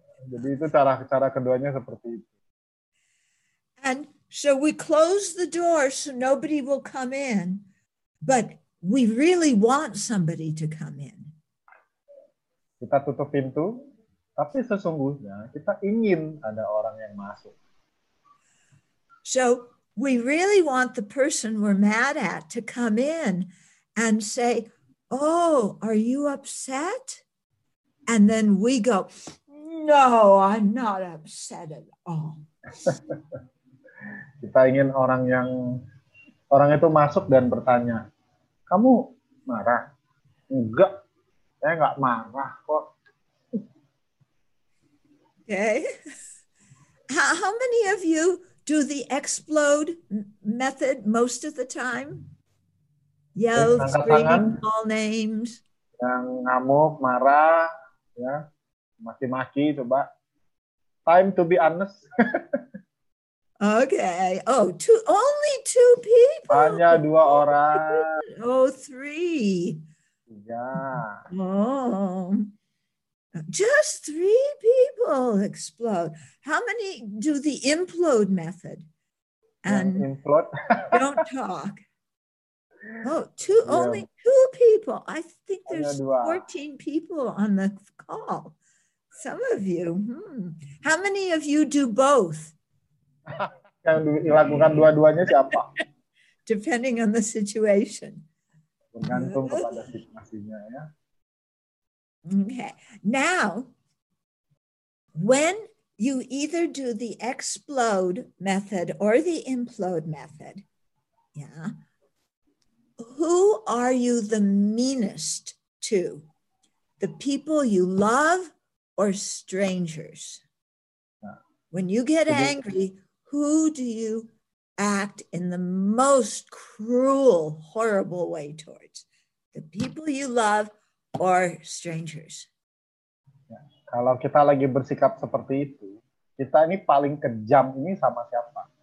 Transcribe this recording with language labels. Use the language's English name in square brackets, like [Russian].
[Indonesian] Jadi itu cara keduanya seperti itu. [English] And so we close the door so nobody will come in, but we really want somebody to come in. [Indonesian] Kita tutup pintu. Tapi sesungguhnya kita ingin ada orang yang masuk. [English] So we really want the person we're mad at to come in and say, "Oh, are you upset?" And then we go, "No, I'm not upset at all." [Indonesian] Kita ingin orang itu masuk dan bertanya, "Kamu marah?" "Enggak, saya enggak marah kok." [English] Okay. How many of you do the explode method most of the time? Yell, screaming, call names. [Indonesian] Yang ngamuk, marah, ya, maki-maki, coba. [English] Time to be honest. Okay. Oh, only two people. [Indonesian] Hanya dua orang. [English] Oh, three. [Indonesian] Tiga. [English] Oh. Just three people explode. How many do the implode method? And implode. Don't talk. Oh, two. Yeah. Only two people. I think there's 14 people on the call. Some of you. How many of you do both? [Indonesian] Yang dilakukan dua-duanya siapa? [English] Depending on the situation. [Indonesian] Bergantung kepada situasinya ya. [English] Okay. Now, when you either do the explode method or the implode method, yeah, who are you the meanest to? The people you love or strangers? When you get angry, who do you act in the most cruel, horrible way towards? The people you love or strangers? [Indonesian] Kalau kita lagi bersikap seperti itu, kita ini paling kejam ini sama siapa?